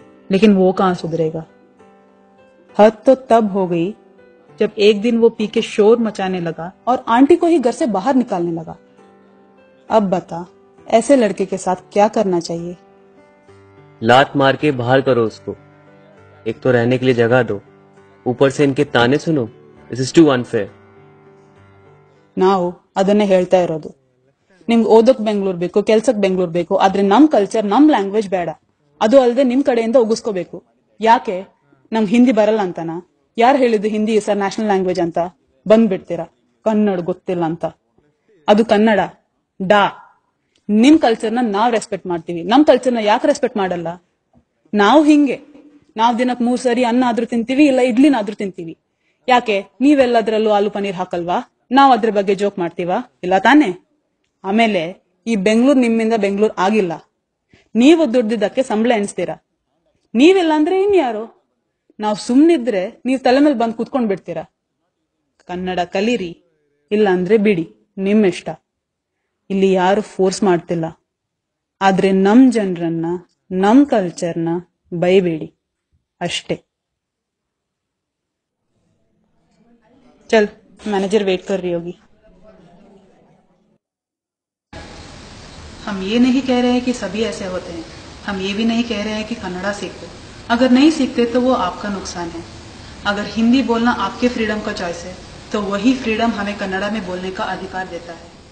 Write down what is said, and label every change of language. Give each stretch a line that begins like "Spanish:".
Hindi: लेकिन वो कहां सुधरेगा। हद तो तब हो गई जब एक दिन वो पी के शोर मचाने लगा और आंटी को ही घर से बाहर निकालने लगा। अब बता, ऐसे लड़के के साथ क्या करना चाहिए? लात मार के बाहर करो उसको, एक तो रहने के लिए जगह दो, ऊपर से इनके ताने सुनो।
English: This is too unfair.
Kannada: Now, ಅದನ್ನೇ ಹೇಳ್ತಾ ಇರೋದು. ನಿಮ್ಗೆ ಓದಕ್ ಬೆಂಗಳೂರು ಬೇಕು, ಕೆಲ್ಸಕ್ ಬೆಂಗಳೂರು ಬೇಕು, ಆದ್ರೆ ನಮ್ ಕಲ್ಚರ್, ನಮ್ ಲ್ಯಾಂಗ್ವೇಜ್ ಬೇಡ. ಅದು ಅಲ್ಲದೆ ನಿಮ್ ಕಡೆಯಿಂದ ಉಗಿಸ್ಕೋಬೇಕು. ಯಾಕೆ? ನಮ್ಗೆ ಹಿಂದಿ ಬರಲ್ಲ ಅಂತಾನ? ಯಾರು ಹೇಳಿದ್ದು ಹಿಂದಿ ಸರ್ ನ್ಯಾಷನಲ್ ಲ್ಯಾಂಗ್ವೇಜ್ ಅಂತ? ಬಂದ್ಬಿಡ್ತೀರಾ ಕನ್ನಡ ಗೊತ್ತಿಲ್ಲ ಅಂತ. ಅದು ಕನ್ನಡ ಡಾ. ನಿಮ್ ಕಲ್ಚರ್ನ ನಾವ್ ರೆಸ್ಪೆಕ್ಟ್ ಮಾಡ್ತೀವಿ, ನಮ್ ಕಲ್ಚರ್ನ ಯಾಕೆ ರೆಸ್ಪೆಕ್ಟ್ ಮಾಡಲ್ಲ? ನಾವು ಹಿಂಗೆ, ನಾವ್ ದಿನಕ್ ಮೂರ್ ಸರಿ ಅನ್ನ ಆದ್ರೂ ತಿಂತೀವಿ, ಇಲ್ಲ ಇಡ್ಲಿನಾದ್ರೂ ತಿಂತೀವಿ. ಯಾಕೆ? ನೀವೆಲ್ಲದರಲ್ಲೂ ಆಲು ಪನ್ನೀರ್ ಹಾಕಲ್ವಾ? ನಾವು ಅದ್ರ ಬಗ್ಗೆ ಜೋಕ್ ಮಾಡ್ತೀವಾ? ಇಲ್ಲ ತಾನೆ. ಆಮೇಲೆ ಈ ಬೆಂಗಳೂರು ನಿಮ್ಮಿಂದ ಬೆಂಗಳೂರು ಆಗಿಲ್ಲ, ನೀವು ದುಡ್ಡಿದ್ದಕ್ಕೆ ಸಂಬಳ ಎಣಿಸ್ತೀರಾ. ನೀವಿಲ್ಲ ಅಂದ್ರೆ ಇನ್ಯಾರು? ನಾವು ಸುಮ್ಮನಿದ್ರೆ ನೀವು ತಲೆ ಮೇಲೆ ಬಂದು ಕೂತ್ಕೊಂಡು ಬಿಡ್ತೀರಾ? ಕನ್ನಡ ಕಲೀರಿ, ಇಲ್ಲಾಂದ್ರೆ ಬಿಡಿ, ನಿಮ್ಮ ಇಷ್ಟ. ಇಲ್ಲಿ ಯಾರು ಫೋರ್ಸ್ ಮಾಡ್ತಿಲ್ಲ, ಆದ್ರೆ ನಮ್ ಜನರನ್ನ ನಮ್ ಕಲ್ಚರ್ನ ಬೈಬೇಡಿ ಅಷ್ಟೇ.
Hindi: चल, मैनेजर वेट कर रही होगी। हम ये नहीं कह रहे हैं कि सभी ऐसे होते हैं, हम ये भी नहीं कह रहे हैं कि कन्नड़ा सीखो। अगर नहीं सीखते तो वो आपका नुकसान है। अगर हिंदी बोलना आपके फ्रीडम का चॉइस है तो वही फ्रीडम हमें कन्नड़ा में बोलने का अधिकार देता है।